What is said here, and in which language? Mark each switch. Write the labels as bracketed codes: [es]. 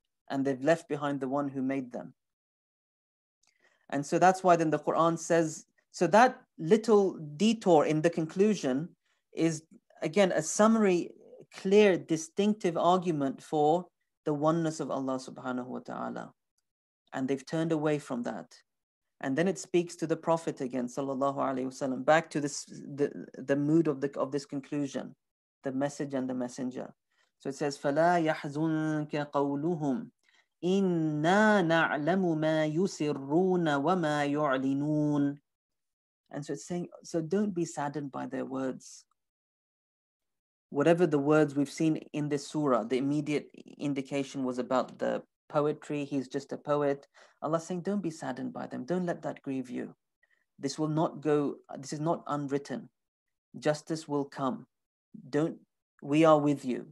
[en] And they've left behind the one who made them. And so that's why then the Quran says, so that little detour in the conclusion is, again, a summary, clear, distinctive argument for the oneness of Allah subhanahu wa ta'ala. And they've turned away from that. And then it speaks to the Prophet again, sallallahu alayhi wa sallam, back to this, the mood of this conclusion, the message and the messenger. So it says, [ar] فَلَا يَحْزُنْكَ قَوْلُهُمْ إِنَّا نَعْلَمُ مَا يُسِرُّونَ وَمَا يُعْلِنُونَ. [en] And so it's saying, so don't be saddened by their words. Whatever the words we've seen in this surah, the immediate indication was about the poetry. He's just a poet. Allah's saying, don't be saddened by them. Don't let that grieve you. This will not go, this is not unwritten. Justice will come. We are with you.